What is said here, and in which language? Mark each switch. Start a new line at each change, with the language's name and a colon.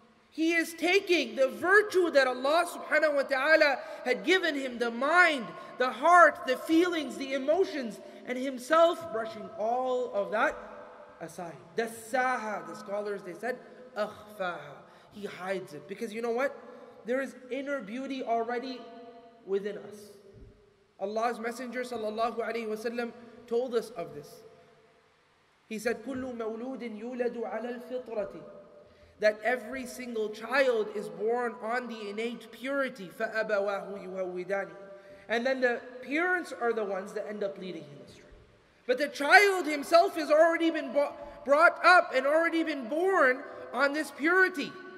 English: He is taking the virtue that Allah subhanahu wa ta'ala had given him, the mind, the heart, the feelings, the emotions, and himself brushing all of that aside. Dassaha, the scholars, they said, akhfaha. He hides it. Because you know what? There is inner beauty already within us. Allah's Messenger sallallahu alayhi wa sallam told us of this. He said,
Arabic: كُلُّ مَوْلُودٍ يُولَدُ عَلَى الْفِطْرَةِ.
English: That every single child is born on the innate purity.
Arabic: فَأَبَوَاهُ يُهَوِّدَانِ.
English: And then the parents are the ones that end up leading him astray. But the child himself has already been brought up and already been born on this purity.